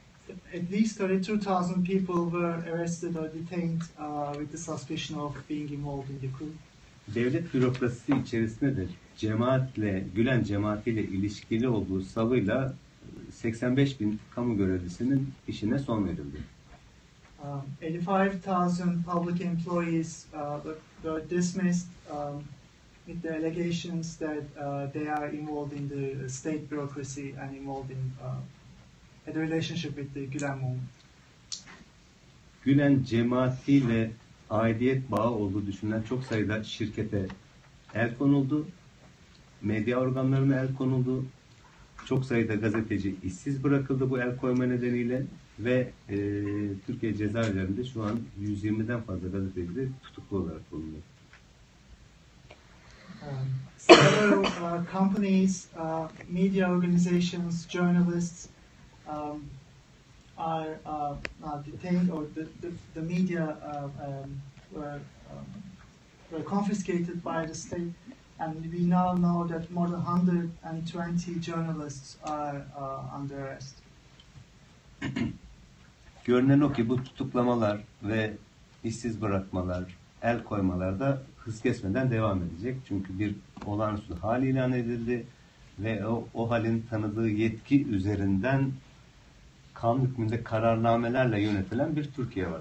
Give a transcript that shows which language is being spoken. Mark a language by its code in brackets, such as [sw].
[en] At least 32,000 people were arrested or detained with the suspicion of being involved in the coup. [tr] Devlet bürokrasisi içerisinde de cemaatle, Gülen cemaatiyle ilişkili olduğu savıyla 85 bin kamu görevlisinin işine son verildi. [en] 85,000 public employees were dismissed with the allegations that they are involved in the state bureaucracy and involved in the relationship with the Gülen movement. [tr] Gülen cemaatiyle aidiyet bağı olduğu düşünülen çok sayıda şirkete el konuldu, medya organlarına el konuldu. Çok sayıda gazeteci işsiz bırakıldı bu el koyma nedeniyle ve Türkiye cezaevlerinde şu an 120'den fazla gazeteci de tutuklu olarak bulunuyor. [en] Several companies, media organizations, journalists are detained or the media were confiscated by the state. And we now know that more than 120 journalists are under arrest. [tr] Görünen o ki bu tutuklamalar ve işsiz bırakmalar, el koymalar da hız kesmeden devam edecek. Çünkü bir olağanüstü hal ilan edildi ve o halin tanıdığı yetki üzerinden kanun hükmünde kararnamelerle yönetilen bir Türkiye var